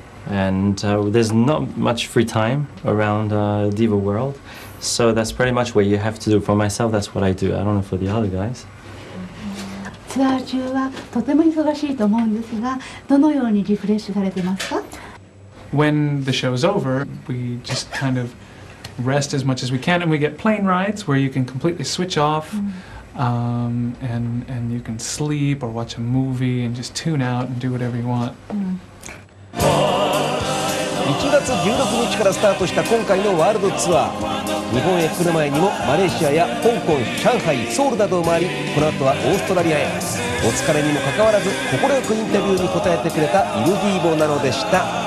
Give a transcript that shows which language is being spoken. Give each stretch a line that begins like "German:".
English: And there's not much free time around Diva World. So that's pretty much what you have to do. For myself, that's what I do. I don't know for the other guys.
Japanese: ツアー中はとても忙しいと思うんですが、どのようにリフレッシュされてますか？
English: When the show's over, we just kind of rest as much as we can, and we get plane rides where you can completely switch off, and you can sleep or watch a movie and just tune out and do whatever you want.
Japanese: 1月16日からスタートした今回のワールドツアー。日本へ来る前にもマレーシアや香港、上海、ソウルなどを回り、この後はオーストラリアへ。お疲れにもかかわらず快くインタビューに答えてくれたイルディーボなのでした。